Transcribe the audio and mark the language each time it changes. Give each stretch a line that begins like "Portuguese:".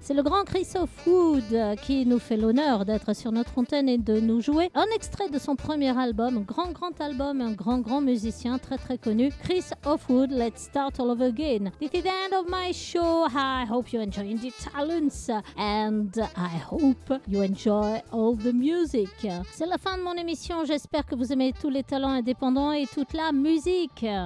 French: C'est le grand Kris Ofwood qui nous fait l'honneur d'être sur notre antenne et de nous jouer un extrait de son premier album, un grand album, un grand musicien très connu.
English: Kris Ofwood, let's start all over again. This is the end of my show. I hope you enjoy the talents and I hope you enjoy all the music.
French: C'est la fin de mon émission. J'espère que vous aimez tous les talents indépendants et toute la musique.